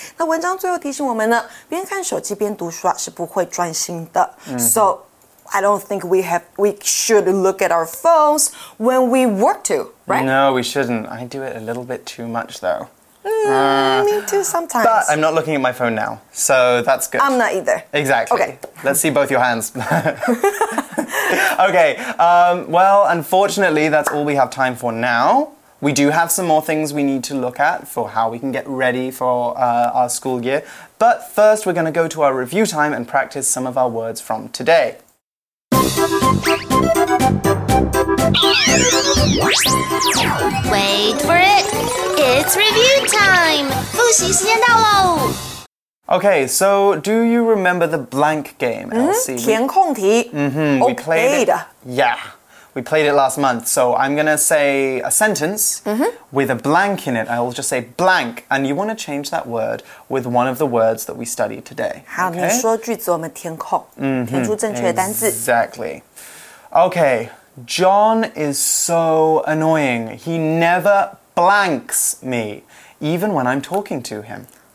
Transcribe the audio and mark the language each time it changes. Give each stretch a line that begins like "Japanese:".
Chinese: 那文章最后提醒我们呢边看手机边读书啊是不会专心的。 Mm-hmm.
English: So, I don't think we should look at our phones when we work to, right? No, we shouldn't. I do it a little bit too much though. Me too sometimes. But I'm not looking at my phone now, so that's good. I'm not either. Exactly. Okay. Let's see both your hands. Okay, well, unfortunately, that's all we have time for now. We do have some more things we need to look at for how we can get ready for our school year. But first, we're going to go to our review time and practice some of our words from today. Wait for it. It's review time.
Chinese: 复习时间到喽。
English: Okay, so do you remember the blank game, Elsie?
Chinese: 填空题
English: Mm-hmm, we played it. Yeah, we played it last month. So I'm going to say a sentence with a blank in it. I will just say blank. And you want to change that word with one of the words that we studied today. 好、okay?
Chinese: 你说句子我们填空、填出正确的单字
English: Exactly. Okay, John is so annoying. He never blanks me, even when I'm talking to him.